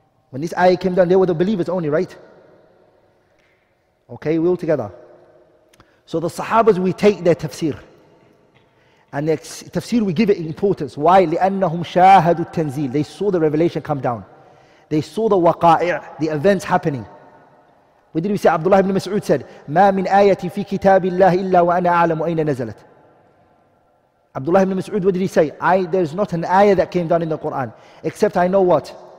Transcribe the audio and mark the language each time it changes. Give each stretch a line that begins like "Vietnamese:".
English: When this ayah came down, they were the believers only, right? Okay, we all together. So the Sahabas, we take their tafsir. And the tafsir, we give it importance. Why?
Arabic: لأنهم شاهدوا التنزيل.
English: They saw the revelation come down. They saw the waqa'i', the events happening. What did we say? Abdullah ibn Mas'ud said,
Arabic: مَا مِنْ آيَةٍ فِي كِتَابِ اللَّهِ إِلَّا وَأَنَا أَعْلَمُ أَيْنَ نَزَلَتْ.
English: Abdullah ibn Mas'ud, what did he say? There is not an ayah that came down in the Quran, except I know what?